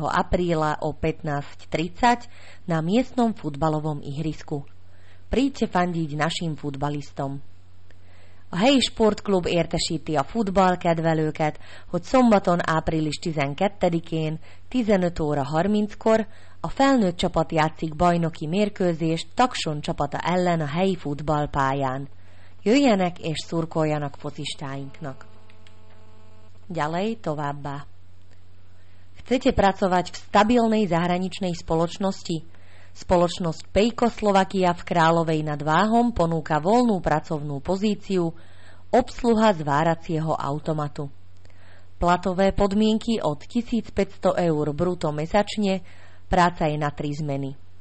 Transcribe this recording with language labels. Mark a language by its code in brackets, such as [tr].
[sk] apríla o 15:30 na miestnom futbalovom ihrisku. Príďte fandiť našim futbalistom. [hu] A helyi sportklub értesíti a futballkedvelőket, hogy szombaton április 12-én 15 óra 30-kor a felnőtt csapat játszik bajnoki mérkőzést Takson csapata ellen a helyi futballpályán. Jöjjenek és szurkoljanak focistáinknak. [sk] Ďalej [hu] továbbá. [sk] Chcete pracovať v stabilnej zahraničnej spoločnosti? Spoločnosť Pejko Slovakia v Královej nad Váhom ponúka voľnú pracovnú pozíciu obsluha zváracieho automatu. Platové podmienky od 1500 eur bruto mesačne, práca je na 3 zmeny.